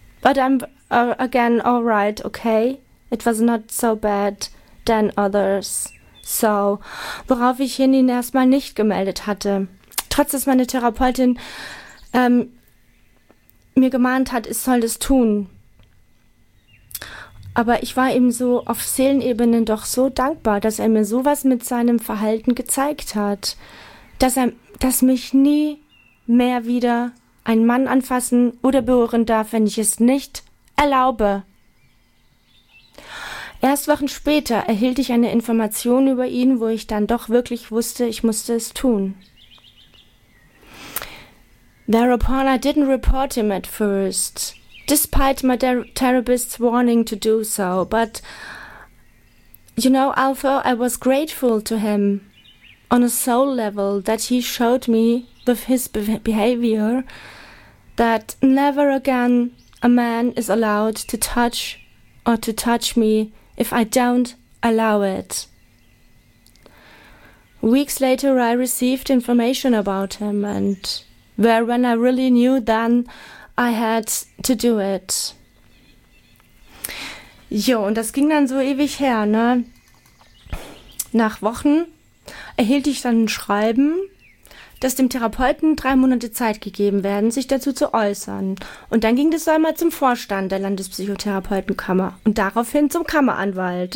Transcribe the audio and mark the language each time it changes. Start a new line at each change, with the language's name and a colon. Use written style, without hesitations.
English: But I'm again all right, okay? It was not so bad than others.
German: So, worauf ich ihn erstmal nicht gemeldet hatte. Trotz dass meine Therapeutin mir gemahnt hat, ich soll das tun. Aber ich war ihm so auf Seelenebene doch so dankbar, dass er mir sowas mit seinem Verhalten gezeigt hat. Dass mich nie mehr wieder ein Mann anfassen oder berühren darf, wenn ich es nicht erlaube. Erst Wochen später erhielt ich eine Information über ihn, wo ich dann doch wirklich wusste, ich musste es tun.
English: Thereupon I didn't report him at first, despite my therapist's warning to do so, but, you know, although I was grateful to him on a soul level that he showed me with his behavior that never again a man is allowed to touch or to touch me if I don't allow it. Weeks later I received information about him and where when I really knew then I had to do it.
German: Jo, und das ging dann so ewig her, ne? Nach Wochen erhielt ich dann ein Schreiben, dass dem Therapeuten 3 Monate Zeit gegeben werden, sich dazu zu äußern. Und dann ging das einmal zum Vorstand der Landespsychotherapeutenkammer und daraufhin zum Kammeranwalt.